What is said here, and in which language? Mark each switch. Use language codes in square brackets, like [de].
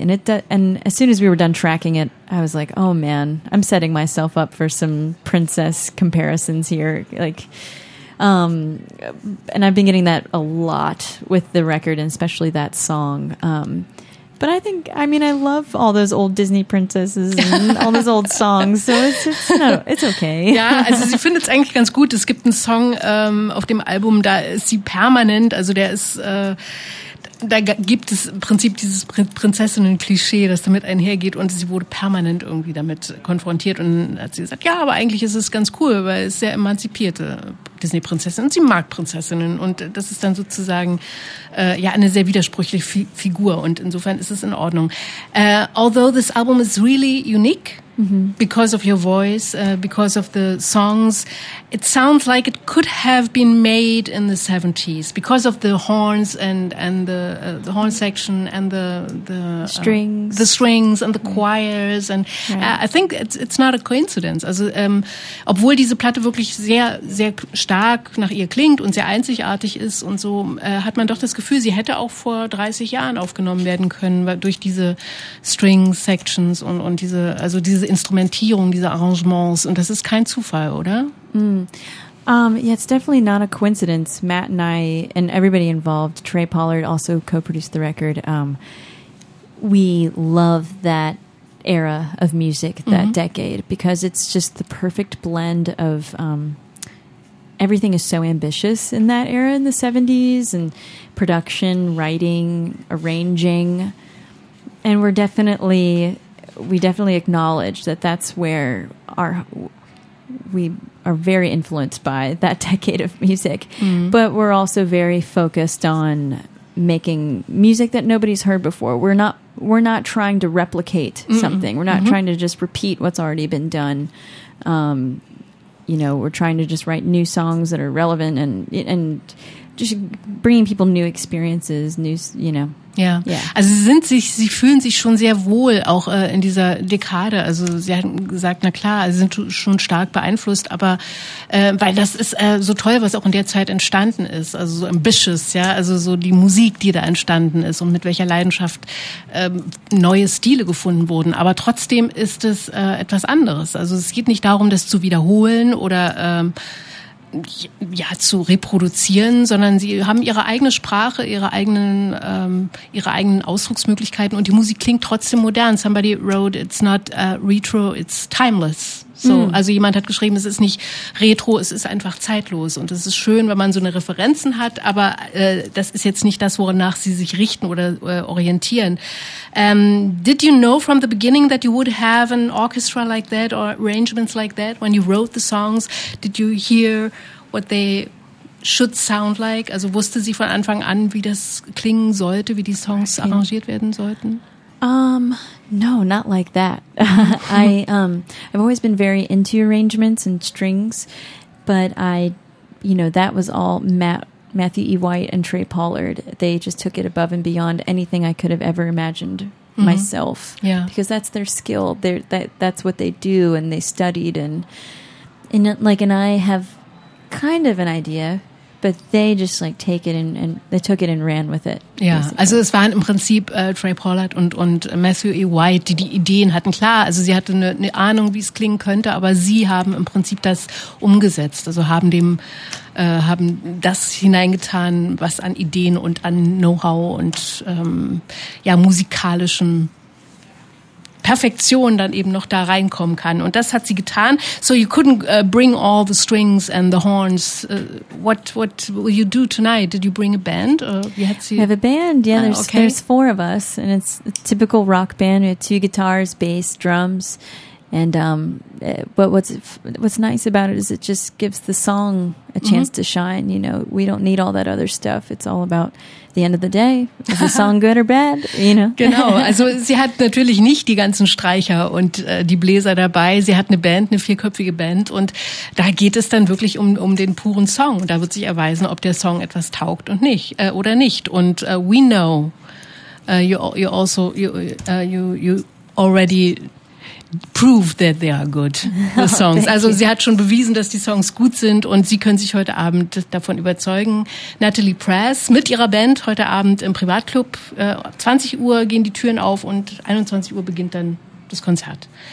[en] And as soon as we were done tracking it, I was like, oh man, I'm setting myself up for some princess comparisons here. Like... and I've been getting that a lot with the record and especially that song. But I think, I mean, I love all those old Disney princesses and all those old songs, so it's okay. [de] Ja, also sie findet es eigentlich ganz gut. Es gibt einen Song auf dem Album, da ist sie permanent, also der ist, da gibt es im Prinzip dieses Prinzessinnen-Klischee, das damit einhergeht und sie wurde permanent irgendwie damit konfrontiert und hat sie gesagt, ja, aber eigentlich ist es ganz cool, weil es sehr emanzipierte Disney-Prinzessin und sie mag Prinzessinnen und das ist dann sozusagen eine sehr widersprüchliche Figur und insofern ist es in Ordnung. [en] Although this album is really unique because of your voice, because of the songs, it sounds like it could have been made in the 70s because of the horns and the horn section and the strings and the choirs and I think it's not a coincidence. [de] Also obwohl diese Platte wirklich sehr, sehr stark nach ihr klingt und sehr einzigartig ist und so, hat man doch das Gefühl, sie hätte auch vor 30 Jahren aufgenommen werden können, weil durch diese String Sections und diese, also diese Instrumentierung, diese Arrangements, und das ist kein Zufall, oder? [en] It's definitely not a coincidence. Matt and I and everybody involved, Trey Pollard also co-produced the record. We love that era of music, that decade, because it's just the perfect blend of everything is so ambitious in that era in the 70s, and production, writing, arranging. And we definitely acknowledge that that's where we are very influenced by that decade of music. Mm-hmm. But we're also very focused on making music that nobody's heard before. We're not trying to replicate mm-hmm. something. We're not mm-hmm. trying to just repeat what's already been done. We're trying to just write new songs that are relevant and just bringing people new experiences, [de] Ja, also sie fühlen sich schon sehr wohl auch in dieser Dekade. Also sie hatten gesagt, na klar, sie sind schon stark beeinflusst, aber weil das ist so toll, was auch in der Zeit entstanden ist. Also [en] so ambitious, [de] ja, also so die Musik, die da entstanden ist und mit welcher Leidenschaft neue Stile gefunden wurden. Aber trotzdem ist es etwas anderes. Also es geht nicht darum, das zu wiederholen oder zu reproduzieren, sondern sie haben ihre eigene Sprache, ihre eigenen Ausdrucksmöglichkeiten, und die Musik klingt trotzdem modern. [en] Somebody wrote, it's not retro, it's timeless. [de] So, also jemand hat geschrieben, es ist nicht retro, es ist einfach zeitlos. Und es ist schön, wenn man so eine Referenzen hat, aber das ist jetzt nicht das, wonach sie sich richten oder orientieren. [en] Did you know from the beginning that you would have an orchestra like that or arrangements like that when you wrote the songs? Did you hear what they should sound like? [de] Also wusste sie von Anfang an, wie das klingen sollte, wie die Songs arrangiert werden sollten? [en] No, not like that. I've always been very into arrangements and strings, but that was all Matthew E. White and Trey Pollard. They just took it above and beyond anything I could have ever imagined mm-hmm. myself. Yeah. Because that's their skill. That's what they do, and they studied and I have kind of an idea. But they just like take it and they took it and ran with it. [de] Ja, [en] basically. [de] Also es waren im Prinzip Trey Pollard und Matthew E. White, die Ideen hatten. Klar, also sie hatte eine Ahnung, wie es klingen könnte, aber sie haben im Prinzip das umgesetzt. Also haben haben das hineingetan, was an Ideen und an Know-how und musikalischen Perfektion dann eben noch da reinkommen kann. Und das hat sie getan. [en] So you couldn't bring all the strings and the horns. What will you do tonight? Did you bring a band? We have a band. Yeah, there's four of us. And it's a typical rock band. We have two guitars, bass, drums. And but what's nice about it is it just gives the song a chance mm-hmm. to shine. You know, we don't need all that other stuff. It's all about the end of the day. Is the song good or bad? You know. [de] Genau. Also sie hat natürlich nicht die ganzen Streicher und die Bläser dabei. Sie hat eine Band, eine vierköpfige Band, und da geht es dann wirklich um den puren Song. Da wird sich erweisen, ob der Song etwas taugt und nicht oder nicht. Und [en] we know you already prove that they are good, the songs. [de] Oh, also sie hat schon bewiesen, dass die Songs gut sind, und sie können sich heute Abend davon überzeugen. Natalie Press mit ihrer Band heute Abend im Privatclub. 20 Uhr gehen die Türen auf und 21 Uhr beginnt dann das Konzert.